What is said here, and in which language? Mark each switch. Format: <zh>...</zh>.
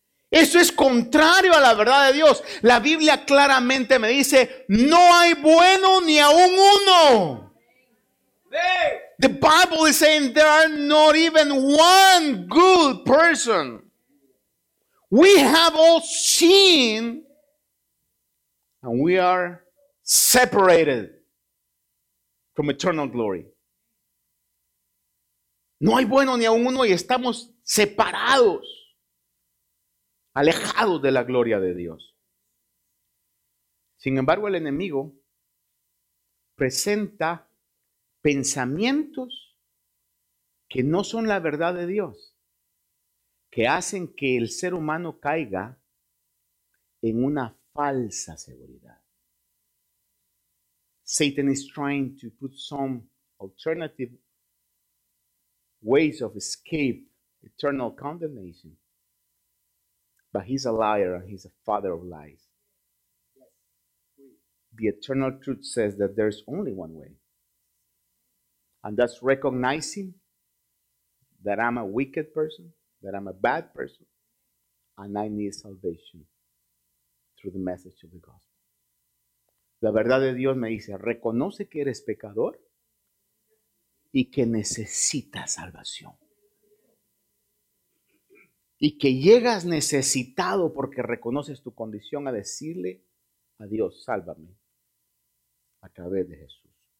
<es>Eso es contrario a la verdad de Dios. La Biblia claramente me dice: no hay bueno ni aún uno.</es> <en>Hey. The Bible is saying there are not even one good person. We have all sinned and we are separated from eternal glory.</en> <es>No hay bueno ni aún uno y estamos separados, alejados de la gloria de Dios. Sin embargo, el enemigo presenta pensamientos que no son la verdad de Dios, que hacen que el ser humano caiga en una falsa seguridad.</es> <en>Satan is trying to put some alternative ways of escape eternal condemnation. But he's a liar and he's a father of lies. The eternal truth says that there's only one way. And that's recognizing that I'm a wicked person, that I'm a bad person, and I need salvation through the message of the gospel.</en> <es>La verdad de Dios me dice: reconoce que eres pecador y que necesitas salvación. Y que llegas necesitado porque reconoces tu condición a decirle a Dios: sálvame a través de Jesús.</es>